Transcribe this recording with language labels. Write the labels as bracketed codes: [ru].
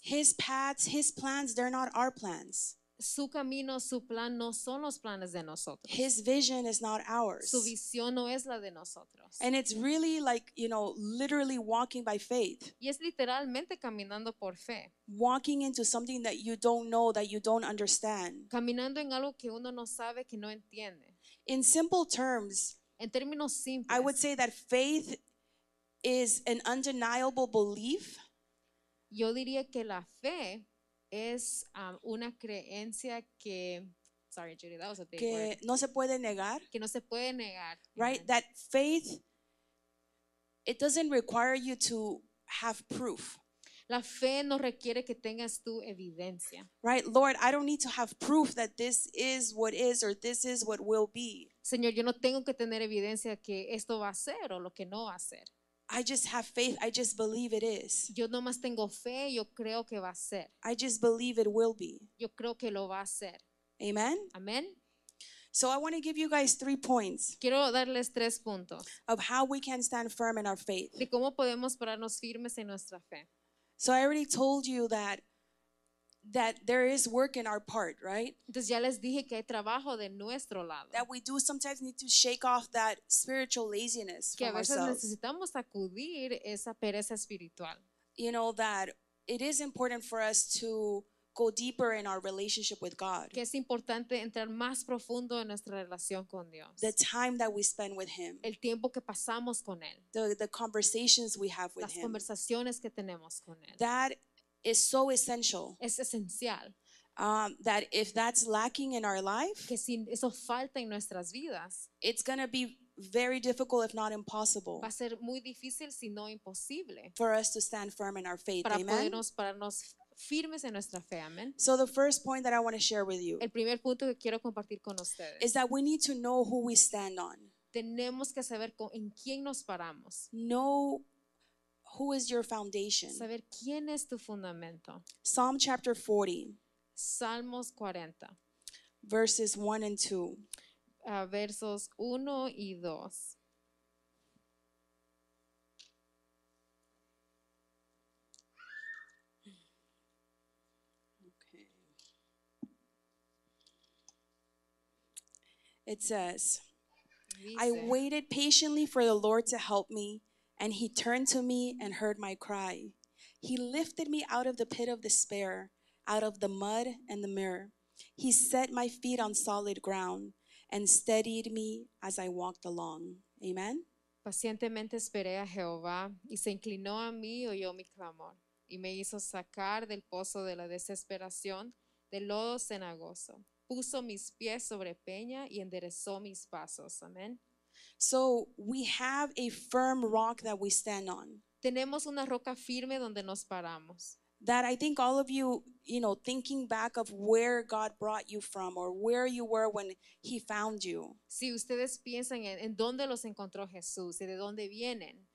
[en] His paths, his plans, they're not our plans. [es] Su camino, su plan no son los planes de nosotros. [en] His vision is not ours. [es] Su visión no es la de nosotros. [en] And it's really like, you know, literally walking by faith. [es] Y es literalmente caminando por fe. [en] Walking into something that you don't know, that you don't understand. [es] Caminando en algo que uno no sabe, que no entiende. [en] In simple terms, [es] en términos simples, [en] I would say that faith is an undeniable belief. [es] Yo diría que la fe es una creencia que, [en] sorry, Judy, that was a big [es] que [en] word. [es] No se puede negar. Que no se puede negar. [en] Right? Yeah. That faith, it doesn't require you to have proof. [es] La fe no requiere que tengas tu evidencia. [en] Right? Lord, I don't need to have proof that this is what is or this is what will be. [es] Señor, yo no tengo que tener evidencia que esto va a ser o lo que no va a ser. [en] I just have faith. I just believe it is. [es] Yo nomás tengo fe. Yo creo que va a ser. [en] I just believe it will be. [es] Yo creo que lo va a ser. [en] Amen? [es] Amen. [en] So I want to give you guys 3 points. [es] Quiero darles 3 puntos. [en] Of how we can stand firm in our faith. [es] De cómo podemos pararnos firmes en nuestra fe. [en] So I already told you that that there is work in our part, right? [es] Entonces ya les dije que hay trabajo de nuestro lado. [en] That we do sometimes need to shake off that spiritual laziness [es] que [en] from ourselves. [es] Que a veces necesitamos sacudir esa pereza espiritual. [en] You know that it is important for us to go deeper in our relationship with God. [es] Que es importante entrar más profundo en nuestra relación con Dios. [en] The time that we spend with Him. [es] El tiempo que pasamos con Él. [en] The conversations we have with [es] Las [en] Him. [es] Las conversaciones que tenemos con Él. [en] That is so essential. [es] Es esencial. [en] That if that's lacking in our life, [es] que si eso falta en nuestras vidas, [en] it's going to be very difficult, if not impossible, [es] va a ser muy difícil, si no imposible, [en] for us to stand firm in our faith. [es] Para [en] amen? [es] Podernos, pararnos firmes en nuestra fe, amen. [en] So the first point that I want to share with you, [es] el primer punto que quiero compartir con ustedes, [en] is that we need to know who we stand on. [es] Tenemos que saber con, en quién nos paramos. [en] Know who is your foundation. [es] Saber quién es tu fundamento. [en] Psalm chapter 40. [es] Salmos 40. [en] Verses 1 and 2. [es] Versos 1 y 2. [en] Okay. It says, dice, I waited patiently for the Lord to help me, and He turned to me and heard my cry. He lifted me out of the pit of despair, out of the mud and the mire. He set my feet on solid ground and steadied me as I walked along. Amen. [es] Pacientemente esperé a Jehová, y se inclinó a mí y oyó mi clamor, y me hizo sacar del pozo de la desesperación, del lodo cenagoso. Puso mis pies sobre peña y enderezó mis pasos. Amen. [en] So we have a firm rock that we stand on. [es] Tenemos una roca firme donde nos paramos. [en] That I think all of you, you know, thinking back of where God brought you from or where you were when He found you. [es] Si ustedes piensan en dónde los encontró Jesús y de dónde vienen.